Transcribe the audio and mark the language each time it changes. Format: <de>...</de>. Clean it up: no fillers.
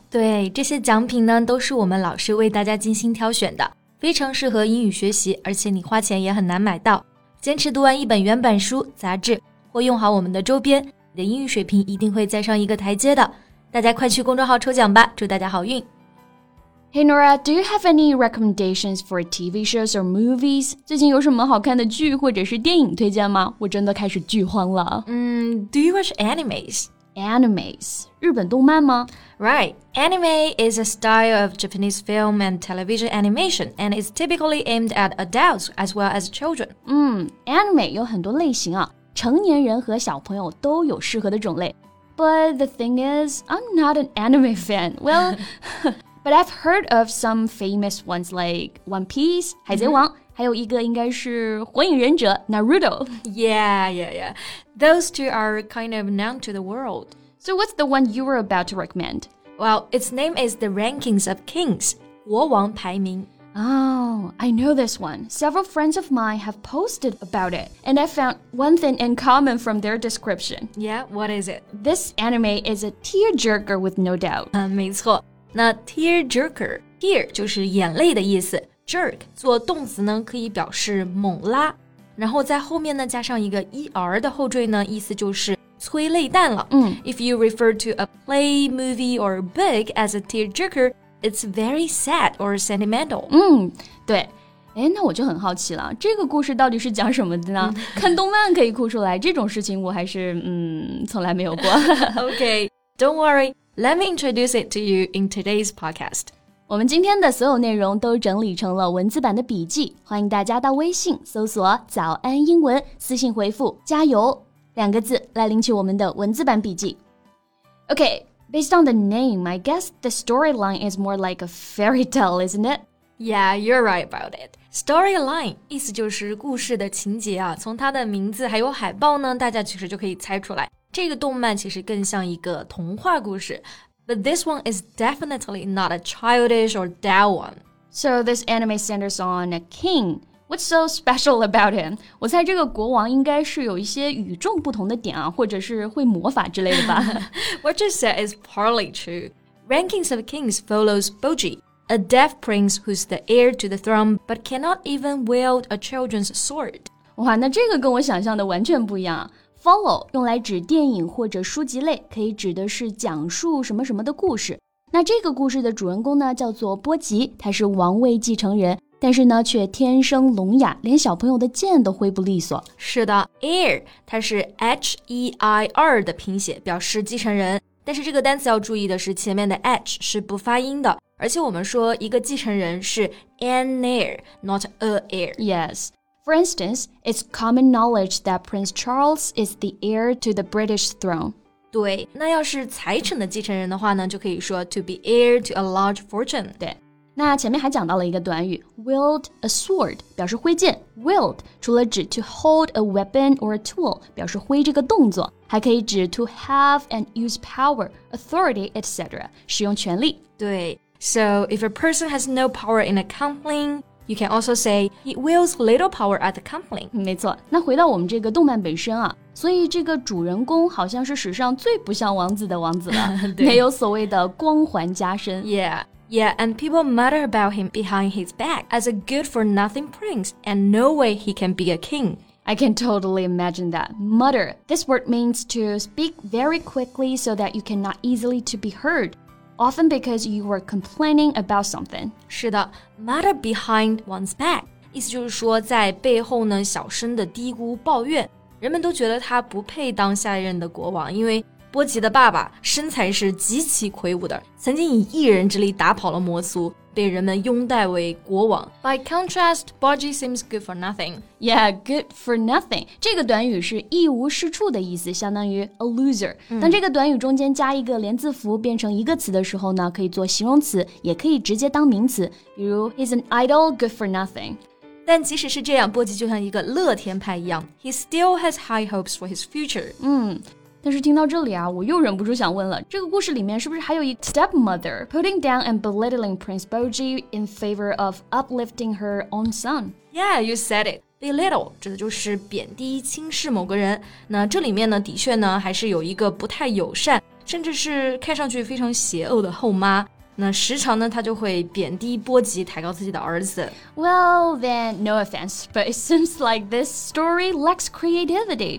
<zh>对，这些奖品呢，都是我们老师为大家精心挑选的。非常适合英语学习，而且你花钱也很难买到。坚持读完一本原版书、杂志，或用好我们的周边，你的英语水平一定会再上一个台阶的。大家快去公众号抽奖吧，祝大家好运。</zh> <en>Hey Nora, do you have any recommendations for TV shows or movies?</en> <zh>最近有什么好看的剧或者是电影推荐吗？我真的开始剧荒了。</zh> <en>Do you watch animes?</en> <zh>Animes, 日本动漫吗?</zh> <en>Right, anime is a style of Japanese film and television animation, and is typically aimed at adults as well as children.</en> <zh>Anime 有很多类型啊，成年人和小朋友都有适合的种类。</zh> <en>But the thing is, I'm not an anime fan. Well, but I've heard of some famous ones like One Piece, 海贼王。</en> <zh>还有一个应该是火影忍者 Naruto.</zh> <en>Yeah. Those two are kind of known to the world. So what's the one you were about to recommend? Well, its name is The Rankings of Kings, 国王排名. Oh, I know this one. Several friends of mine have posted about it, and I found one thing in common from their description. Yeah, what is it? This anime is a tearjerker with no doubt.</en> <zh>没错，那 tearjerker, tear 就是眼泪的意思。 Jerk 做动词呢，可以表示猛拉，然后在后面呢加上一个 er 的后缀呢，意思就是催泪弹了。</zh> <en>If you refer to a play, movie, or book as a tearjerker, it's very sad or sentimental.</en> <zh>对，哎，那我就很好奇了，这个故事到底是讲什么的呢？看动漫可以哭出来，这种事情我还是从来没有过。</zh> <en>Okay, don't worry. Let me introduce it to you in today's podcast.</en> <zh>我们今天的所有内容都整理成了文字版的笔记，欢迎大家到微信搜索早安英文，私信回复加油两个字来领取我们的文字版笔记。</zh> <en>Okay, based on the name, I guess the storyline is more like a fairy tale, isn't it? Yeah, you're right about it.</en> <zh>Storyline, 意思就是故事的情节啊，从它的名字还有海报呢，大家其实就可以猜出来，这个动漫其实更像一个童话故事。</zh> <en>But this one is definitely not a childish or dull one. So this anime centers on a king. What's so special about him?</en> <zh>我猜这个国王应该是有一些与众不同的点啊，或者是会魔法之类的吧。</zh> <en>What you said is partly true. Rankings of Kings follows Boji, a deaf prince who's the heir to the throne but cannot even wield a children's sword.</en> <zh>哇，那这个跟我想象的完全不一样啊。Follow 用来指电影或者书籍类，可以指的是讲述什么什么的故事。那这个故事的主人公呢，叫做波吉，他是王位继承人，但是呢，却天生聋哑，连小朋友的剑都挥不利索。是的 ，heir 它是 H-E-I-R 的拼写，表示继承人。但是这个单词要注意的是，前面的 H 是不发音的，而且我们说一个继承人是 an heir, not a heir.</zh> <en>Yes. For instance, it's common knowledge that Prince Charles is the heir to the British throne.</en> <zh>对，那要是财产的继承人的话呢，就可以说 to be heir to a large fortune. 对，那前面还讲到了一个短语 wield a sword, 表示挥剑。</zh> <en>Wield 除了指 to hold a weapon or a tool, 表示挥这个动作，还可以指 to have and use power, authority, etc.</en> <zh>使用权力。</zh> <en>对 ，So if a person has no power in a company. You can also say, he wields little power at the company.</en> <zh>没错，那回到我们这个动漫本身啊，所以这个主人公好像是史上最不像王子的王子了，没有所谓的光环加身。</zh> <en>Yeah, and people mutter about him behind his back as a good-for-nothing prince, and no way he can be a king. I can totally imagine that. Mutter, this word means to speak very quickly so that you cannot easily to be heard. Often because you were complaining about something. 是的 ,mutter behind one's back.</en> <zh>意思就是说在背后呢小声的嘀咕抱怨。人们都觉得他不配当下任的国王，因为波奇的爸爸身材是极其魁梧的，曾经以一人之力打跑了魔族，被人们拥戴为国王。</zh> <en>By contrast, Bodgy seems good for nothing. Yeah, good for nothing.</en> <zh>这个短语是一无是处的意思，相当于 a loser.、嗯、当这个短语中间加一个连字符变成一个词的时候呢，可以做形容词，也可以直接当名词。</zh> <en>比如 he's an idol, good for nothing.</en> <zh>但即使是这样，波吉就像一个乐天派一样 He still has high hopes for his future 嗯，但是听到这里啊，我又忍不住想问了，这个故事里面是不是还有一 stepmother putting down and belittling Prince Bodgy in favor of uplifting her own son?</zh> <en>Yeah, you said it.</en> <zh>Belittle 指的就是贬低轻视某个人，那这里面呢，的确呢，还是有一个不太友善，甚至是看上去非常邪恶的后妈，那时常呢，他就会贬低波吉，抬高自己的儿子。</zh> <en>Well, then, no offense, but it seems like this story lacks creativity.</en>